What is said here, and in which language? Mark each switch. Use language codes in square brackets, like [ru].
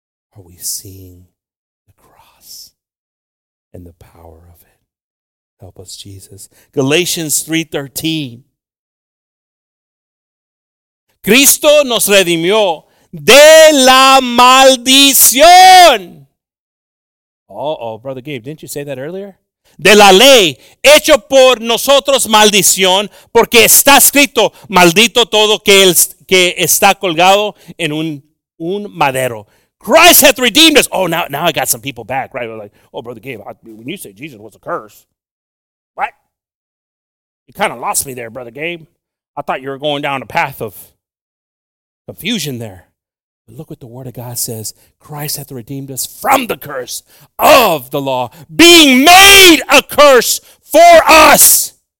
[en] Are we seeing the cross and the power of it? Help us, Jesus. Galatians 3:13. [es] Cristo nos redimió de la maldición. [en] Uh-oh, Brother Gabe, didn't you say that earlier? [es] De la ley, hecho por nosotros maldición, porque está escrito, maldito todo que está colgado en un madero. [en] Christ hath redeemed us. Oh, now I got some people back, right? Like, oh, Brother Gabe, when you say Jesus was a curse, what? You kind of lost me there, Brother Gabe. I thought you were going down a path of confusion there. Look what the word of God says. Christ hath redeemed us from the curse of the law, being made a curse for us.